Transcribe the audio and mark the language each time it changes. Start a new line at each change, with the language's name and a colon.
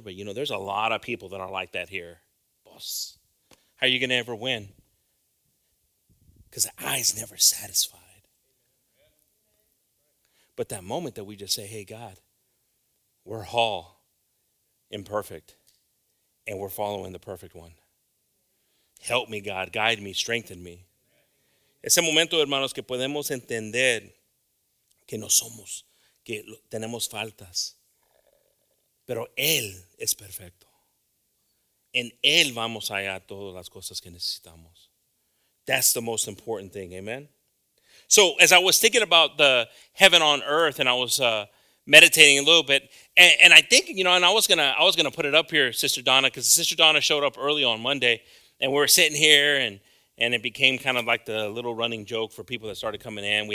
English: But, you know, there's a lot of people that are like that here. Boss, how are you going to ever win? Because the eye's never satisfied. But that moment that we just say, hey, God, we're all imperfect, and we're following the perfect one. Help me, God. Guide me. Strengthen me.
Spanish: Ese momento, hermanos, que podemos entender que no somos, que tenemos faltas. Pero Él es perfecto. En Él vamos a hallar todas las cosas que necesitamos.
English: That's the most important thing, amen? So as I was thinking about the heaven on earth and I was meditating a little bit, and I think, you know, and I was gonna put it up here, Sister Donna, because Sister Donna showed up early on Monday and we were sitting here and it became kind of like the little running joke for people that started coming in.